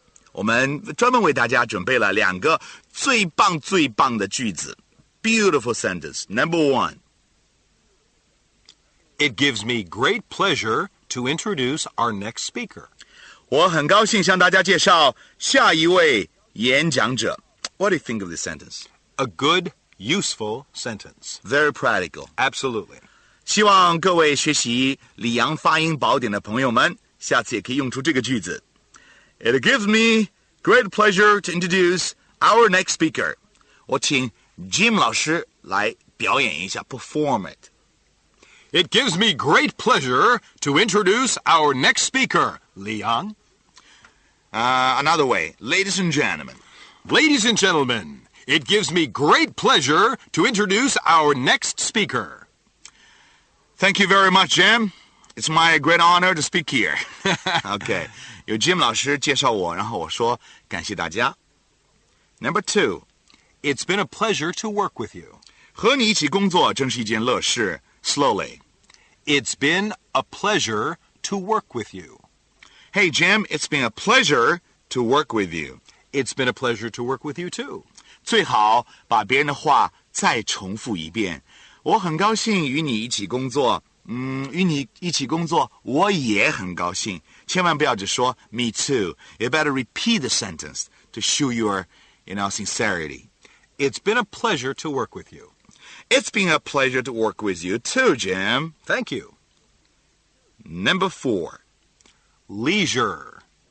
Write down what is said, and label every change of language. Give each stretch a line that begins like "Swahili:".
Chinese: 我们专门为大家准备了两个最棒最棒的句子。
English: Beautiful sentence. Number 1. It gives me great pleasure to introduce our next speaker.
Chinese: 我很高兴向大家介绍下一位演讲者。
English: What do you think of this sentence? A good, useful sentence. Very practical. Absolutely.
Chinese: 希望各位学习李阳发音宝典的朋友们下次也可以用出这个句子。
English: It gives me great pleasure to introduce our next speaker.
Chinese: 我请 Jim 老师来表演一下
English: perform it. It gives me great pleasure to introduce our next speaker, Leon. Another way, ladies and gentlemen. Ladies and gentlemen, it gives me great pleasure to introduce our next speaker. Thank you very much, Jim. It's my great honor to speak here.
Chinese: Okay, 有 Jim 老师介绍我，然后我说感谢大家。
English: Number 2. It's been a pleasure to work with you.
Chinese: 和你一起工作真是一件乐事。
English: Slowly. It's been a pleasure to work with you. Hey, Jim, it's been a pleasure to work with you. It's been a pleasure to work with you, too.
Chinese: 最好把别人的话再重复一遍。我很高兴与你一起工作。与你一起工作我也很高兴。千万不要只说
English: me too. You better repeat the sentence to show your, you know, sincerity. It's been a pleasure to work with you. It's been a pleasure to work with you too, Jim. Thank you. Number 4. Leisure.